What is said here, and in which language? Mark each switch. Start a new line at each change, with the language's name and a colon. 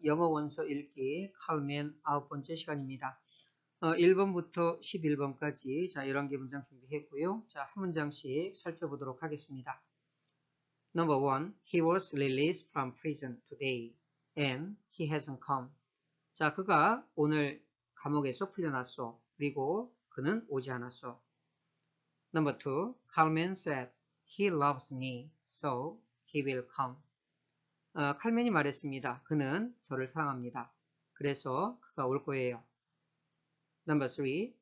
Korean: 영어 원서 읽기 칼맨 아홉 번째 시간입니다. 1번부터 11번까지 자 11개 문장 준비했고요. 자, 한 문장씩 살펴보도록 하겠습니다.
English: Number 1. He was released from prison today and he hasn't come.
Korean: 자, 그가 오늘 감옥에서 풀려났어. 그리고 그는 오지 않았어.
English: Number 2. Carmen said he loves me so he will come.
Korean: 칼맨이 말했습니다. 그는 저를 사랑합니다. 그래서 그가 올 거예요.
English: Number 3.